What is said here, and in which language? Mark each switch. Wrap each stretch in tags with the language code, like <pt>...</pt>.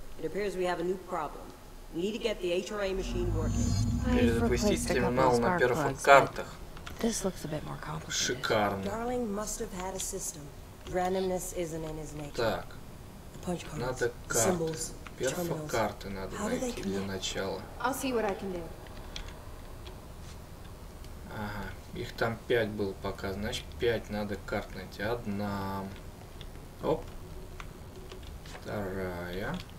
<en>It appears we have a new problem. We need to get the HRA machine working.</en> <ru>Перезапустить терминал на первых картах.</ru> <en>This looks a bit more complicated.</en> <ru>Шикарно.</ru> <en>Darling must have had a system. Randomness isn't in his nature.</en> <ru>Так. Надо карты. Первых карты надо найти для начала.</ru> <en>I'll see what I can do.</en> <ru>Ага. Их там 5 было пока. Значит, 5 надо карт найти. Одна. Оп. Вторая.</ru>